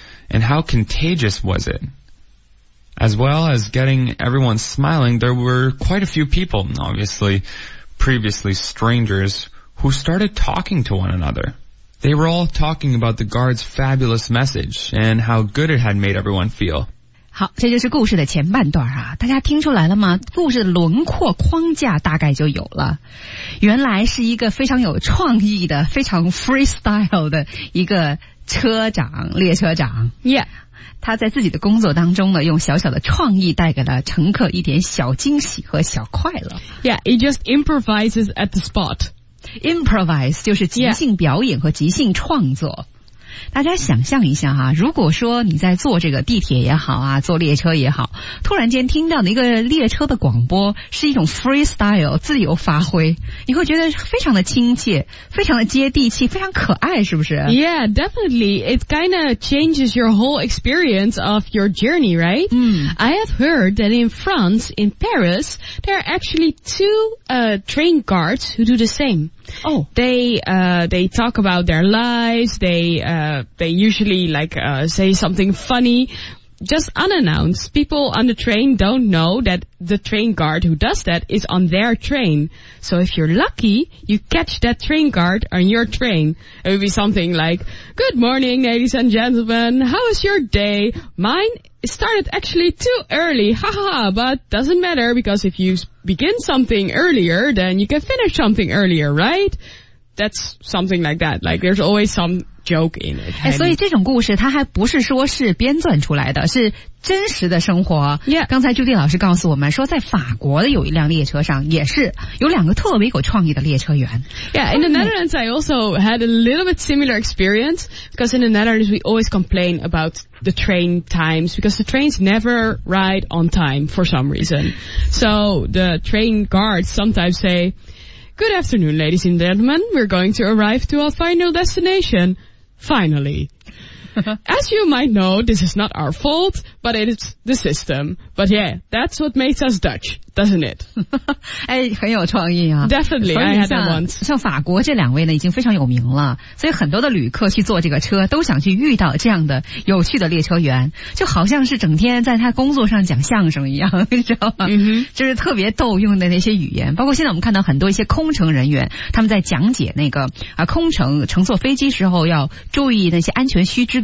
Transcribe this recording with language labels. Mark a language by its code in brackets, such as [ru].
[en] And how contagious was it? As well as getting everyone smiling, there were quite a few people, obviously previously strangers, who started talking to one another. They were all talking about the guard's fabulous message and how good it had made everyone feel. [zh] 好，这就是故事的前半段啊，大家听出来了吗？故事的轮廓框架大概就有了。原来是一个非常有创意的，非常 freestyle 的一个车长，列车长。 [en] Yeah. [zh] 他在自己的工作当中呢，用小小的创意带给了乘客一点小惊喜和小快乐。 [en] Yeah, he just improvises at the spot. [zh] Improvise 就是即兴表演和即兴创作。Yeah. 大家想象一下哈，如果说你在坐这个地铁也好啊，坐列车也好，突然间听到的一个列车的广播是一种 freestyle 自由发挥，你会觉得非常的亲切，非常的接地气，非常可爱，是不是？ [en] Yeah, definitely. It kind of changes your whole experience of your journey, right? Mm. I have heard that in France, in Paris, there are actually two train guards who do the same. Oh, they talk about their lives. They usually say something funny, just unannounced. People on the train don't know that the train guard who does that is on their train. So if you're lucky, you catch that train guard on your train. It would be something like, "Good morning, ladies and gentlemen. How is your day? Mine started actually too early. Ha ha, but doesn't matter because if you begin something earlier, then you can finish something earlier, right?" That's something like that. Like there's always some joke in it. [zh] 哎，所以这种故事它还不是说是编撰出来的，是真实的生活。 [en] Yeah. [zh] 刚才朱迪老师告诉我们说，在法国的有一辆列车上也是有两个特别有创意的列车员。 [en] Yeah, in the Netherlands, I also had a little bit similar experience because in the Netherlands we always complain about the train times because the trains never ride on time for some reason. So the train guards sometimes say. Good afternoon, ladies and gentlemen. We're going to arrive to our final destination. Finally. As you might know, this is not our fault, but it's the system. But yeah, that's what makes us Dutch, doesn't it? [zh] 哎，很有创意啊。 [en] Definitely, I had that once. [zh] 像法国这两位呢，已经非常有名了，所以很多的旅客去坐这个车，都想去遇到这样的有趣的列车员，就好像是整天在他工作上讲相声一样，你知道吗？ [en] Mm-hmm. [zh] 就是特别逗用的那些语言，包括现在我们看到很多一些空乘人员，他们在讲解那个啊空乘乘坐飞机时候要注意那些安全须知。